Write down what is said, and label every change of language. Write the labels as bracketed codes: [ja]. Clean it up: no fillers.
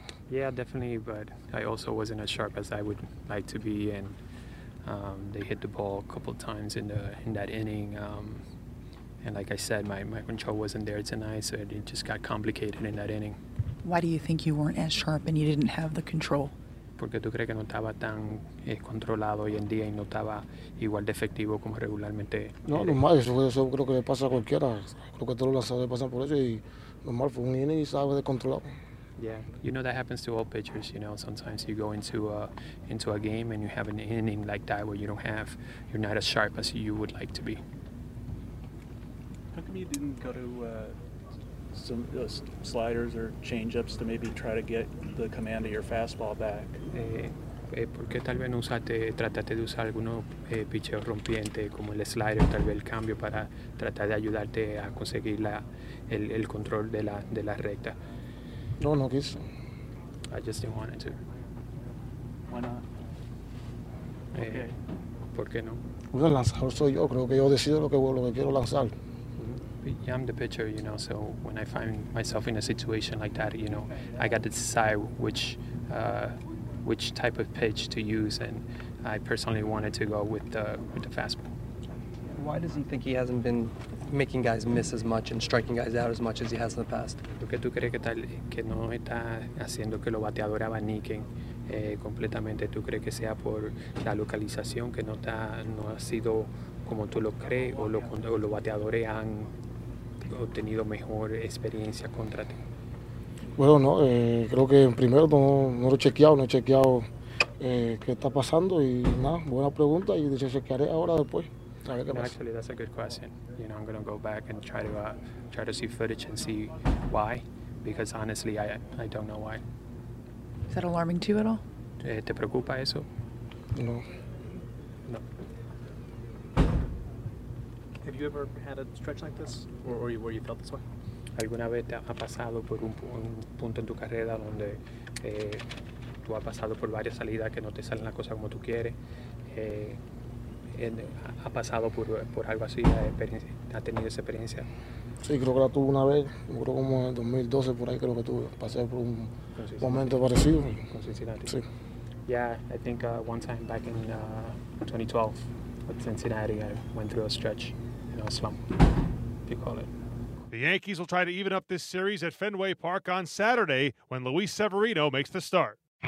[en] Yeah, definitely, but I also wasn't as sharp as I would like to be, and they hit the ball a couple of times in that inning. And like I said, my control wasn't there tonight, so it just got complicated in that inning. Why do you think you weren't as sharp and you didn't have the control? [es] Porque tú crees que no estaba tan controlado hoy en día y no estaba igual de efectivo como regularmente. No, normal, eso creo que le pasa a cualquiera. Creo que todos los lanzadores pasan por eso y normal, fue un inning y estaba descontrolado. [en] Yeah, you know, that happens to all pitchers. You know, sometimes you go into a game and you have an inning like that where you're not as sharp as you would like to be. How come you didn't go to some sliders or change-ups to maybe try to get the command of your fastball back? [es] ¿Por qué tal vez no trataste de usar alguno picheo rompiente como el slider, tal vez el cambio para tratar de ayudarte a conseguir el control de la recta? No, no quiso. [en] I just didn't want it to. Why not? I'm the pitcher, you know, so when I find myself in a situation like that, you know, I got to decide which type of pitch to use, and I personally wanted to go with the fastball. Why does he think he hasn't been making guys miss as much and striking guys out as much as he has in the past? [es] ¿Por qué tú crees que tal que no está haciendo que los bateadores abaniquen completamente? ¿Tú crees que sea por la localización que no ha sido como tú lo crees o los bateadores han obtenido mejor experiencia contra ti? Bueno, no, creo que primero no he chequeado qué está pasando y nada, buena pregunta y dice chequearé ahora después. [en] Actually, that's a good question. You know, I'm going to go back and try to see footage and see why, because honestly, I don't know why. Is that alarming to you at all? [es] ¿Te preocupa eso? No. [en] No. Have you ever had a stretch like this, or where you felt this way? [es] ¿Alguna vez te ha pasado por un punto en tu carrera donde tú has pasado por varias salidas que no te salen las cosas como tú quieres? ¿Ha pasado por algo así? ¿Ha tenido esa experiencia? Sí, creo que la tuve una vez, creo como en 2012, por ahí creo que tuve. Pasé por un momento parecido. Con Cincinnati. Sí. [en] Yeah, I think one time back in 2012 with Cincinnati, I went through a stretch, you know, a slump, if you call it. The Yankees will try to even up this series at Fenway Park on Saturday when Luis Severino makes the start.